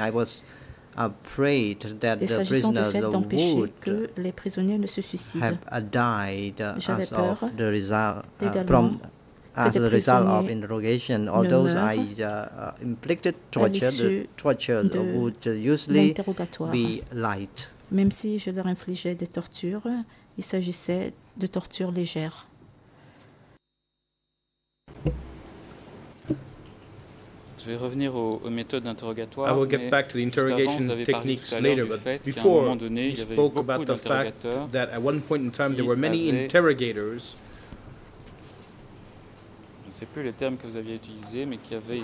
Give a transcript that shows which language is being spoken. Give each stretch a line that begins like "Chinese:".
English: I was afraid that the prisoners would
French: que les prisonniers ne se suicident.
English: Have died
French: j'avais
English: as of the result from as a result of interrogation, or those I inflicted torture would usually be light.
French: Même si je leur infligeais des tortures, il s'agissait de tortures légères. Je vais revenir aux méthodes d'interrogatoire.
English: I will get back to the interrogation techniques later, but before you spoke about the fact that at one point in time there were many interrogators.
French: Je ne sais plus les termes que vous aviez utilisés, mais qui avaient